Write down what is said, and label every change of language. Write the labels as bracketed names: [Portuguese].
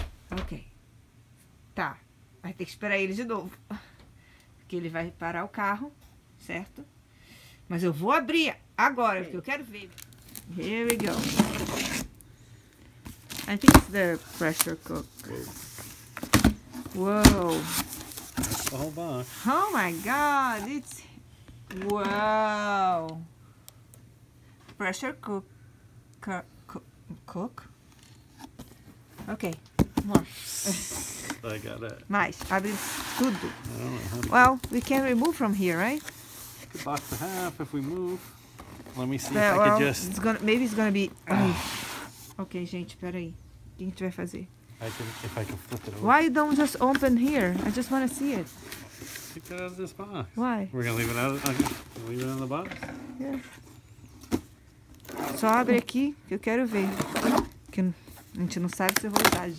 [Portuguese] Ok. Tá. Vai ter que esperar ele de novo. Porque ele vai parar o carro, certo? Mas eu vou abrir agora, porque eu quero ver. [English] Here we go. I think it's the pressure cooker. Whoa. Hold on. Oh my God, it's. Wow. Pressure cook. Cook. Ok. More. I got it. [Portuguese] Mais. Abre tudo. [English] I don't know Well, we can remove from here, right? The box and a half if we move. Let me see if I well, could just. It's gonna, maybe it's gonna be. [Portuguese] Ok, gente, peraí. O que a gente vai fazer? [English] If I can flip it over. Why don't just open here? I just want to see it. Take that out of this box. Why? We're gonna leave it out. Okay. Leave it in the box. Yes. [Portuguese] Só abre aqui que eu quero ver. Que a gente não sabe se eu vou usar.